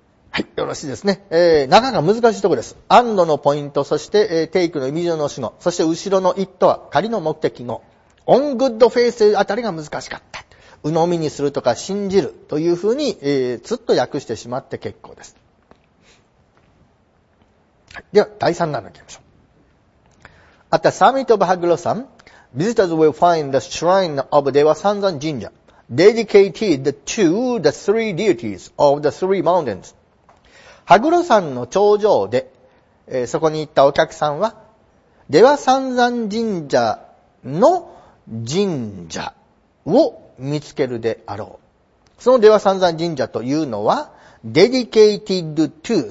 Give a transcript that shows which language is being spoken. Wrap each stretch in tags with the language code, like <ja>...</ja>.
<ja>はい、よろしいですね。なかなか難しいところです。and のポイント、そして、take の意味上の主語、そして後ろの it は仮の目的語、</ja> <en>on good face</en> <ja>あたりが難しかった。鵜呑みにするとか信じるというふうに、つっと訳してしまって結構です。はい、では、第3弾に行きましょう。</ja> <en>At the summit of Haglosan, visitors will find the shrine of Devasanzan Jinja, dedicated to the three deities of the three mountains.</en> <ja>羽黒山の頂上で、そこに行ったお客さんは、出羽三山神社の神社を見つけるであろう。その出羽三山神社というのは、dedicated to。</ja>